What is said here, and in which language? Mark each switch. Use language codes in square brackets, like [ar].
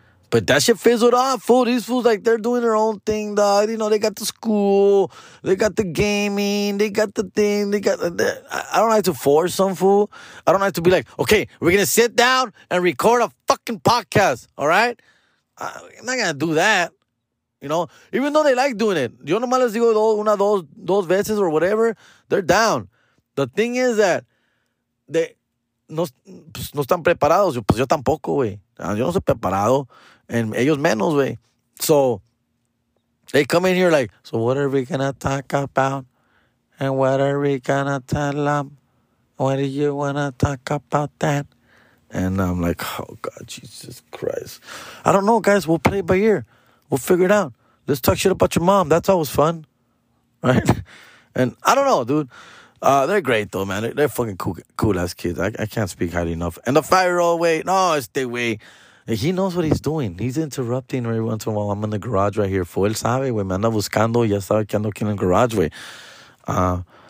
[en] But that shit fizzled off, fool. These fools, like, they're doing their own thing, dog. You know, they got the school. They got the gaming. They got the thing. They got the... I don't have to force them, fool. I don't have to be like, okay, we're going to sit down and record a fucking podcast, all right? I'm not going to do that, you know? Even though they like doing it. [es] Yo nomás les digo una dos veces [en] or whatever. They're down. The thing is that they... [es] No están preparados. Pues yo tampoco, güey. Yo no soy preparado. And ellos menos, güey. [en] So, they come in here like, so what are we going to talk about? And what are we going to tell them? What do you want to talk about that? And I'm like, oh, God, Jesus Christ. I don't know, guys. We'll play by ear. We'll figure it out. Let's talk shit about your mom. That's always fun. Right? And I don't know, dude. They're great, though, man. They're fucking cool-ass kids. I can't speak highly enough. And the 5-year-old, wait. No, it's the way. He knows what he's doing. He's interrupting every once in a while. I'm in the garage right here. [es] Fue él sabe, güey. Me anda buscando. Ya sabe que ando aquí en el garage, güey.